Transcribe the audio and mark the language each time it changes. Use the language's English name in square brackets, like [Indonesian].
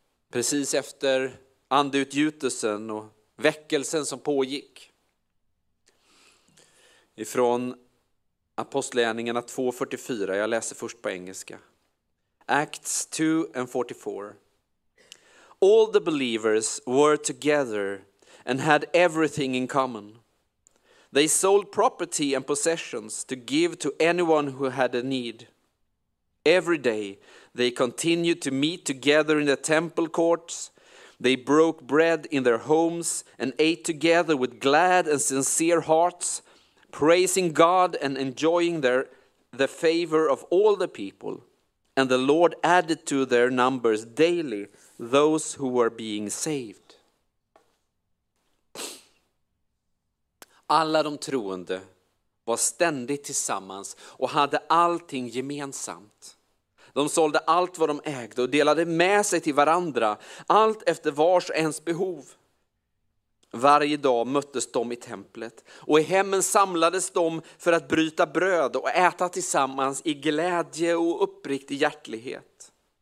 [Swedish] Precis efter andeutgjutelsen och väckelsen som pågick. Ifrån Apostlagärningarna 2:44. Jag läser först på engelska. [English] Acts 2:44. All the believers were together and had everything in common. They sold property and possessions to give to anyone who had a need. Every day they continued to meet together in the temple courts. They broke bread in their homes and ate together with glad and sincere hearts, praising God and enjoying the favor of all the people. And the Lord added to their numbers daily those who were being saved. [Swedish] Alla de troende var ständigt tillsammans och hade allting gemensamt. De sålde allt vad de ägde och delade med sig till varandra, allt efter vars ens behov. Varje dag möttes de i templet och i hemmen samlades de för att bryta bröd och äta tillsammans i glädje och uppriktig hjärtlighet.